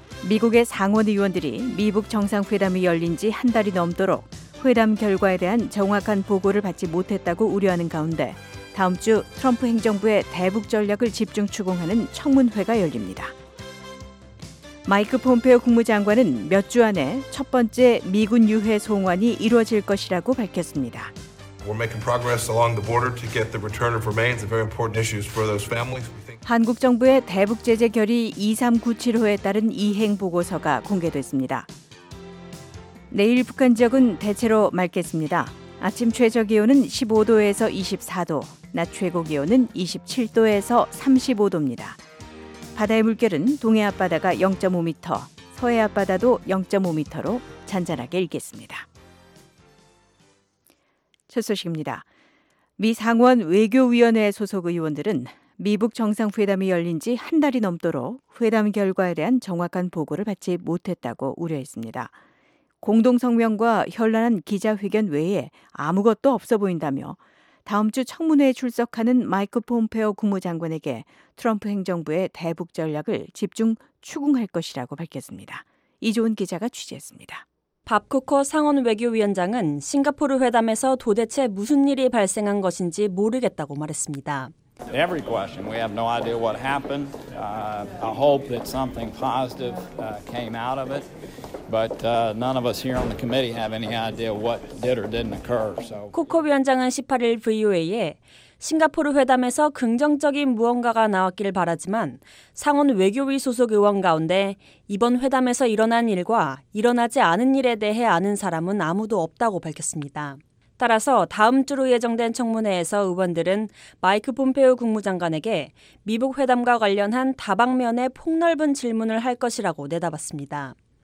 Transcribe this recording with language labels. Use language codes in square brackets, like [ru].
[ko] 미국의 상원의원들이 미북 정상회담이 열린 지 한 달이 넘도록 회담 결과에 대한 정확한 보고를 받지 못했다고 우려하는 가운데 다음 주 트럼프 행정부의 대북 전략을 집중 추궁하는 청문회가 열립니다. 마이크 폼페오 국무장관은 몇 주 안에 첫 번째 미군 유해 송환이 이루어질 것이라고 밝혔습니다. [en] We're making progress along the border to get the return of remains, very important issues for those families. [ko] 한국 정부의 대북 제재 결의 2397호에 따른 이행 보고서가 공개됐습니다. 내일 북한 지역은 대체로 맑겠습니다. 아침 최저 기온은 15도에서 24도, 낮 최고 기온은 27도에서 35도입니다. 바다의 물결은 동해 앞바다가 0.5m, 서해 앞바다도 0.5m로 잔잔하게 일겠습니다. 첫 소식입니다. 미 상원 외교위원회 소속 의원들은 미북 정상회담이 열린 지 한 달이 넘도록 회담 결과에 대한 정확한 보고를 받지 못했다고 우려했습니다. 공동성명과 현란한 기자회견 외에 아무것도 없어 보인다며 다음 주 청문회에 출석하는 마이크 폼페오 국무장관에게 트럼프 행정부의 대북 전략을 집중 추궁할 것이라고 밝혔습니다. 이조은 기자가 취재했습니다. 밥 쿠커 상원 외교위원장은 싱가포르 회담에서 도대체 무슨 일이 발생한 것인지 모르겠다고 말했습니다. [en] Every question, we have no idea what happened. I hope that something positive came out of it. But none of us here on the committee have any idea what did or didn't occur. So. [ko] 쿠커 위원장은 18일 VOA에 싱가포르 회담에서 긍정적인 무언가가 나왔길 바라지만 상원 외교위 소속 의원 가운데 이번 회담에서 일어난 일과 일어나지 않은 일에 대해 아는 사람은 아무도 없다고 밝혔습니다. 따라서 다음 주로 예정된 청문회에서 의원들은 마이크 폼페오 국무장관에게 미북 회담과 관련한 다방면의 폭넓은 질문을 할 것이라고 내다봤습니다.